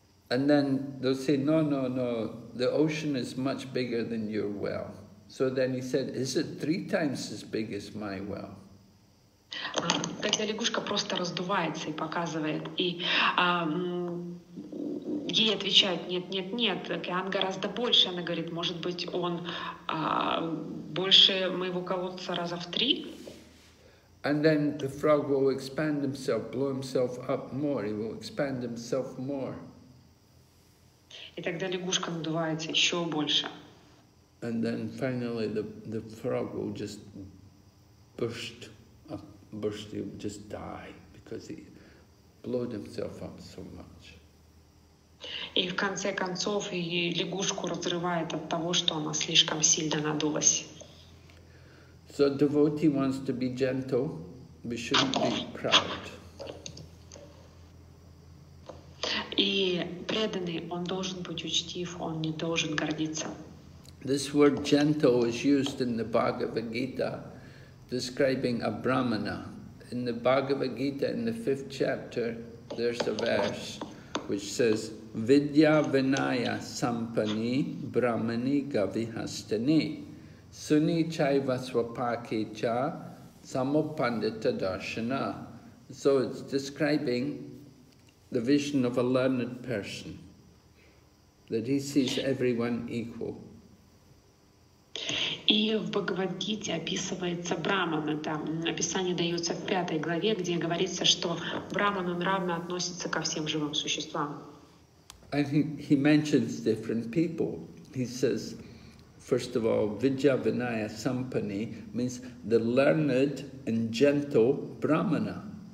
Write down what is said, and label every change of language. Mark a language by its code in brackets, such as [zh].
[en] And then they'll say, no, the ocean is much bigger than your well. So then he said, is it three times as big as my well? [ru] Тогда лягушка просто раздувается и показывает, и ей отвечают, нет, океан гораздо больше. Она говорит, может быть, он больше моего колодца раза в три? [en] And then the frog will expand himself, blow himself up more, he will expand himself more. [ru] И тогда лягушка надувается еще больше. [en] And then finally the frog will just burst up, burst, he'll just die, because he blew himself up so much. [ru] И в конце концов и лягушку разрывает от того, что она слишком сильно надулась. [en] So devotee wants to be gentle, we shouldn't be proud. [ru] И преданный, он должен быть учтив, он не должен гордиться. [en] This word gentle is used in the Bhagavad Gita, describing a brahmana. In the Bhagavad Gita, in the fifth chapter, there's a verse which says, [sa] Vidya vinaya sampani brahmani gavihastani suni chaiva swapake cha samopandita darshana. [en] So it's describing the vision of a learned person, that he sees everyone equal. [ru] И в Бхагавад-гите описывается Браман, это описание дается в пятой главе, где говорится, что Браман равно относится ко всем живым существам. [en] And he mentions different people. He says, first of all, Vidya Vinaya Sampani means the learned and gentle Brahmana.